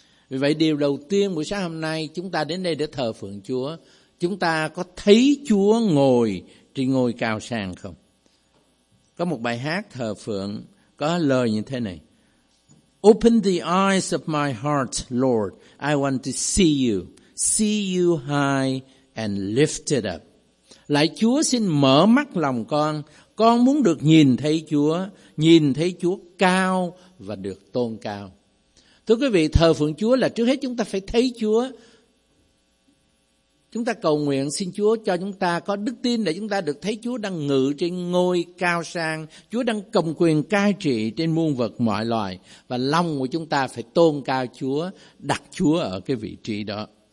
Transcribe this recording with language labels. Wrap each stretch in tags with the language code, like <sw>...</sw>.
<vi>Vì vậy điều đầu tiên buổi sáng hôm nay chúng ta đến đây để thờ phượng Chúa, chúng ta có thấy Chúa ngồi trên ngôi cao sang không? Có một bài hát thờ phượng có lời như thế này.</vi> <en>Open the eyes of my heart, Lord. I want to see you. See you high and lifted up.</en> <vi>Lạy Chúa, xin mở mắt lòng con. Con muốn được nhìn thấy Chúa cao và được tôn cao. Thưa quý vị, thờ phượng Chúa là trước hết chúng ta phải thấy Chúa. Chúng ta cầu nguyện xin Chúa cho chúng ta có đức tin để chúng ta được thấy Chúa đang ngự trên ngôi cao sang, Chúa đang cầm quyền cai trị trên muôn vật mọi loài, và lòng của chúng ta phải tôn cao Chúa, đặt Chúa ở cái vị trí đó.</vi>